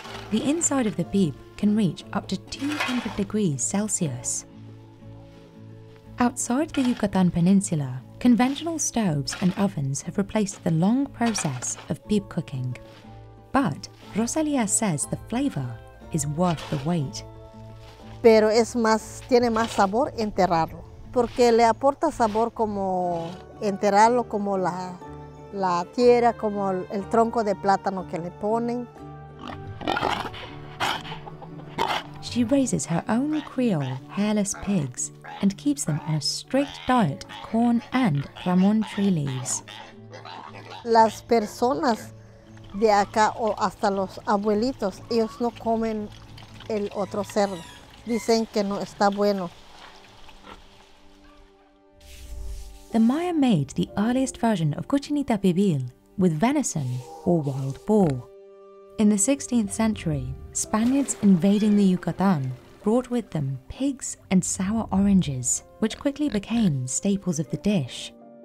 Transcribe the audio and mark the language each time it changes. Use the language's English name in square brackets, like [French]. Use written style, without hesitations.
[English] The inside of the pib can reach up to 200 degrees Celsius. Outside the Yucatan Peninsula, conventional stoves and ovens have replaced the long process of pib cooking. But Rosalia says the flavor is worth the wait. [Spanish] Pero es más, tiene más sabor enterrarlo. Porque le aporta sabor como enterrarlo como la tierra, como el tronco de plátano que le ponen. [English] She raises her own Creole hairless pigs and keeps them on a strict diet of corn and ramon tree leaves. [Spanish] Las personas de acá o hasta los abuelitos, ellos no comen el otro cerdo. Dicen que no está bueno. [English] The Maya made the earliest version of Cochinita Pibil with venison or wild boar. In the 16th century, Spaniards invading the Yucatan brought with them pigs and sour oranges, which quickly became staples of the dish.